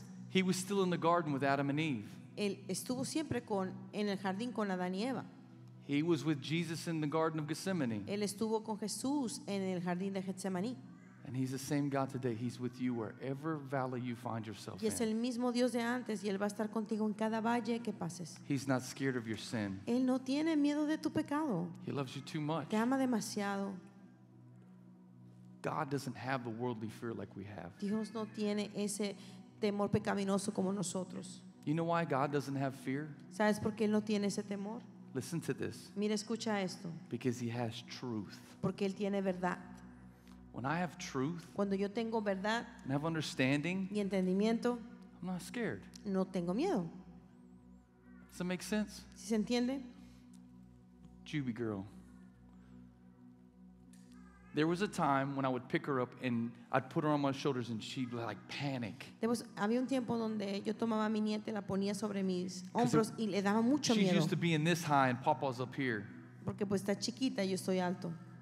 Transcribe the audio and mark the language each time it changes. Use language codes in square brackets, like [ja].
[en] He was still in the garden with Adam and Eve. [es] Él estuvo siempre en el jardín con Adán y Eva. [en] He was with Jesus in the garden of Gethsemane. [es] Él estuvo con Jesús en el jardín de Getsemaní. [en] And he's the same God today. He's with you wherever valley you find yourself in. [es] Y es el mismo Dios de antes y él va a estar contigo en cada valle que pases. [en] He's not scared of your sin. [es] Él no tiene miedo de tu pecado. [en] He loves you too much. [es] Te ama demasiado. [en] God doesn't have the worldly fear like we have. [es] Dios no tiene ese temor pecaminoso como nosotros. [en] You know why God doesn't have fear? [es] ¿Sabes por qué él no tiene ese temor? [en] Listen to this. [es] Mira, escucha esto. [en] Because he has truth. [es] Porque él tiene verdad. [en] When I have truth, [es] cuando yo tengo verdad, [en] and have understanding, [es] y entendimiento, [en] I'm not scared. [es] No tengo miedo. [en] Does that make sense? [es] ¿Sí se entiende? [en] Juby girl. There was a time when I would pick her up and I'd put her on my shoulders and she'd like panic. [es] Había un tiempo donde yo tomaba a mi nieta y la ponía sobre mis hombros y le daba mucho miedo. [en] She's used to being this high and Papa's up here. [es] Porque pues está chiquita y yo estoy alto.